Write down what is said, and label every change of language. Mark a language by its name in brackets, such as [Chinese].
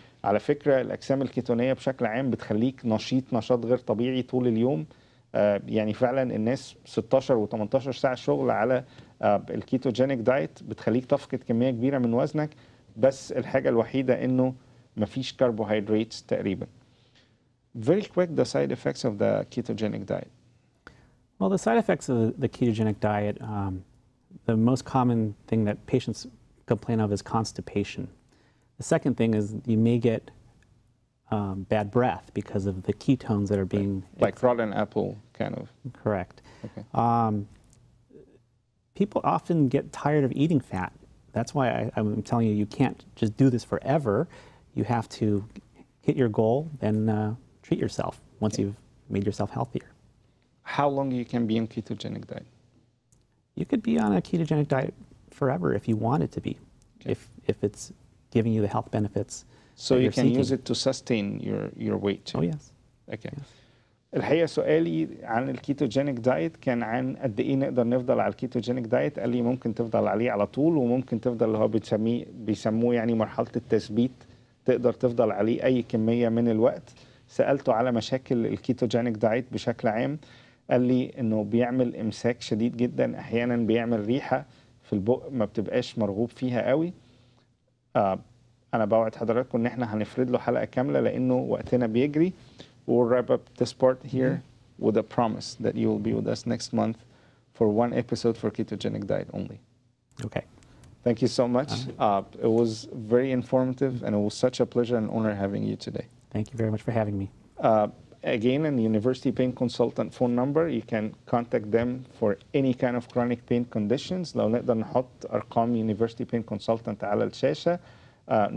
[Arabic] على فكره الاجسام الكيتونيه بشكل عام بتخليك نشاط غير طبيعي طول اليوم. يعني فعلا الناس 16 و18 ساعه شغل على الكيتوجينيك دايت بتخليك تفقد كميه كبيره من وزنك، بس الحاجه الوحيده انه مفيش كربوهيدرات تقريبا. [English] Very quick, the side effects of the ketogenic diet. Well, the side effects of the ketogenic diet, the most common thing that patients complain of is constipation. The second thing is you may get bad breath because of the ketones that are being... Like rotten apple, kind of. Correct. Okay. People often get tired of eating fat. That's why I'm telling you, you can't just do this forever. You have to hit your goal, then treat yourself once you've made yourself healthier. How long you can be on ketogenic diet? You could be on a ketogenic diet forever if you want it to be, okay. if it's giving you the health benefits. So you can seeking. Use it to sustain your weight. Oh yes. Okay. Yes. [Arabic] الحقيقة سؤالي عن الketogenic diet كان عن قد إيه نقدر نفضل على الketogenic diet. قال لي ممكن تفضل عليه على طول وممكن تفضل اللي هو بيسموه يعني مرحلة التثبيت، تقدر تفضل عليه أي كمية من الوقت. سألته على مشاكل الكيتوجينيك دايت بشكل عام، قال لي انه بيعمل امساك شديد جدا، احيانا بيعمل ريحه في البق ما بتبقاش مرغوب فيها قوي. انا بوعد حضراتكم ان احنا هنفرد له حلقه كامله لانه وقتنا بيجري. [English] We'll wrap up this part here with a promise that you will be with us next month for one episode for ketogenic diet only. Okay. Thank you so much. It was very informative and it was such a pleasure and honor having you today. Thank you very much for having me. Again, in the University Pain Consultant phone number, you can contact them for any kind of chronic pain conditions. [Arabic] لو نقدر نحط أرقام University Pain Consultant على الشاشة 951-784-7111.